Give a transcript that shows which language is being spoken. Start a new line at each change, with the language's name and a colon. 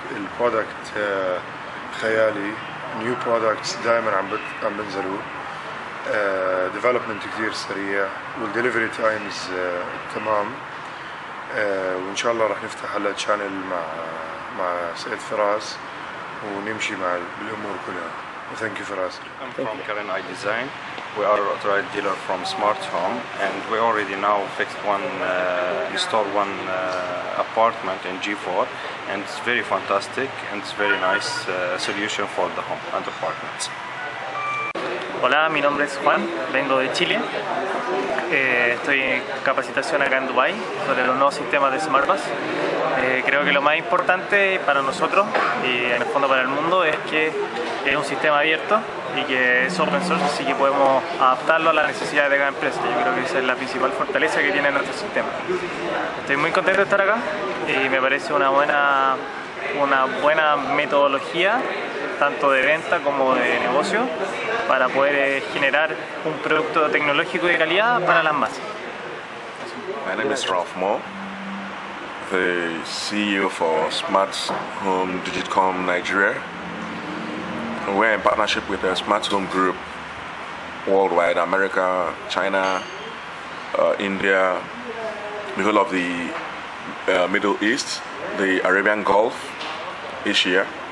Arabic: البرودكت خيالي،
English: new products
Arabic: دائما عم بنزلوا، ديفلوبمنت كثير سريع، والدليفري تايمز تمام. وان شاء الله رح نفتح هلا تشانل مع سيد فراس ونمشي مع الامور كلها.
English: Thank you, Faraz. I'm from Karen Eye Design. We are a right dealer from Smart Home, and we already now fixed one, installed one apartment in G4, and it's very fantastic and it's very nice solution for the home and apartments.
Spanish: Hola, mi nombre es Juan. Vengo de Chile. Estoy en capacitación acá en Dubai sobre los nuevos sistemas de Smart Bus. Creo que lo más importante para nosotros y en el fondo para el mundo es que es un sistema abierto y que es open source, así que podemos adaptarlo a las necesidades de cada empresa. Yo creo que esa es la principal fortaleza que tiene nuestro sistema. Estoy muy contento de estar acá y me parece una buena metodología, tanto de venta como de negocio, para poder generar un producto tecnológico de calidad para las masas.
English: My name is Ralph Moore, the CEO for Smart Home Digicom Nigeria. We're in partnership with the Smart Home Group worldwide, America, China, India, the whole of the Middle East, the Arabian Gulf, Asia.